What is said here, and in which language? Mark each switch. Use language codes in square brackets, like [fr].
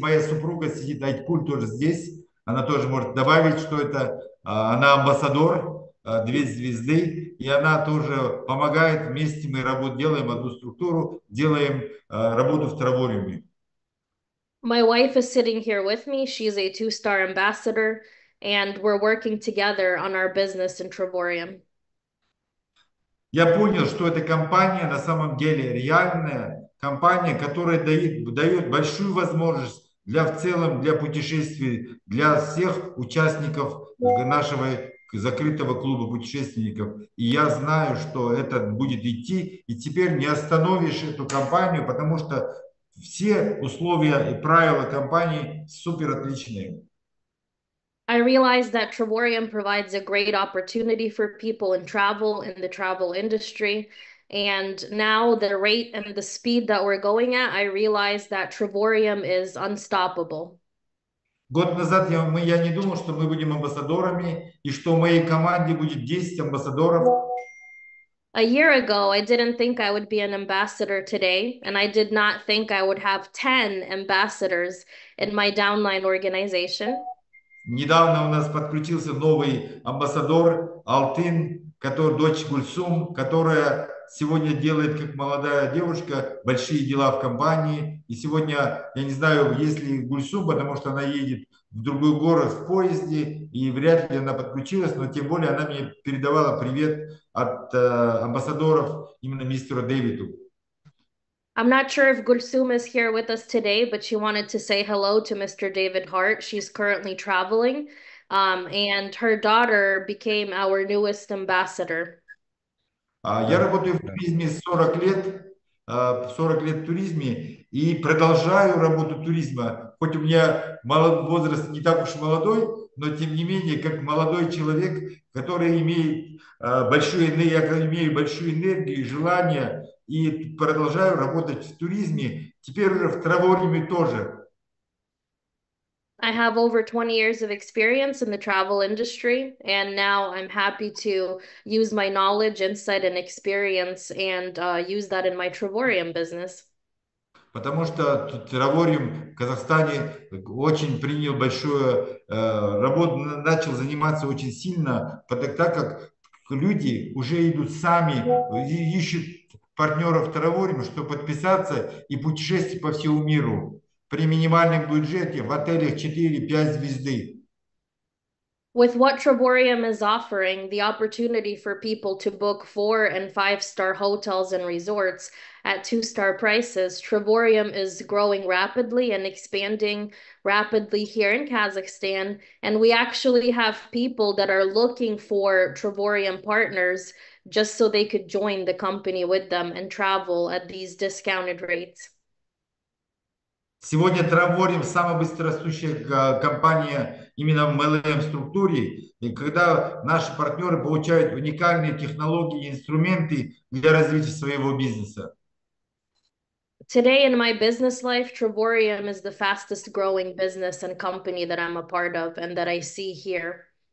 [ru] Моя супруга сидит, Айткуль тоже здесь. Она тоже может добавить, что это она амбассадор две звезды, и она тоже помогает. Вместе мы работаем, делаем одну структуру, делаем работу в Травориуме. [en] My wife is sitting here with me. She's a two-star ambassador, and we're working together on our business in Traborium. [ru] Я понял, что эта компания на самом деле реальная компания, которая дает большую возможность для в целом для путешествий для всех участников нашего закрытого клуба путешественников. И я знаю, что это будет идти, и теперь не остановишь эту компанию, потому что все условия и правила компании супер отличные. [en] I realized that Traborium provides a great opportunity for people in travel, in the travel industry. And now the rate and the speed that we're going at, I realized that Traborium is unstoppable. [ru] Год назад я не думал, что мы будем амбассадорами, и что в моей команде будет 10 амбассадоров. [en] A year ago, I didn't think I would be an ambassador today, and I did not think I would have 10 ambassadors in my downline organization. [ru] Недавно у нас подключился новый амбассадор Алтын, которая дочь Гульсум, которая сегодня делает, как молодая девушка, большие дела в компании. И сегодня, я не знаю, есть ли Гульсум, потому что она едет в другой город в поезде, и вряд ли она подключилась, но тем более она мне передавала привет от амбассадоров, именно мистеру Дэвиду. [en] I'm not sure if Gulsum is here with us today, but she wanted to say hello to Mr. David Hart. She's currently traveling, and her daughter became our newest ambassador. [ru] Я работаю в туризме 40 лет, 40 лет в туризме, и продолжаю работу туризма. Хоть у меня возраст не так уж молодой, но тем не менее, как молодой человек, который имеет большую энергию, я имею большую энергию и желание, и продолжаю работать в туризме, теперь уже в Траворьеме тоже. [en] I have over 20 years of experience in the travel industry, and now I'm happy to use my knowledge, insight, and experience and use that in my Travorium business. [ru] Потому что Траворьем в Казахстане очень принял большую работу, начал заниматься очень сильно, так как люди уже идут сами, ищут партнеров Траворьем, чтобы подписаться и путешествовать по всему миру. При минимальном бюджете в отелях 4-5 звезды. [en] With what Travorium is offering, the opportunity for people to book 4- and 5-star hotels and resorts at 2-star prices, Travorium is growing rapidly and expanding rapidly here in Kazakhstan. And we actually have people that are looking for Travorium partners just so they could join the company with them and travel at these discounted rates. [ru] Сегодня Траворьем самая быстрорастущая компания именно в MLM-структуре. И когда наши партнеры получают уникальные технологии и инструменты для развития своего бизнеса. [en] Today in my business life, Travorium is the fastest growing business and company that I'm a part of and that I see here.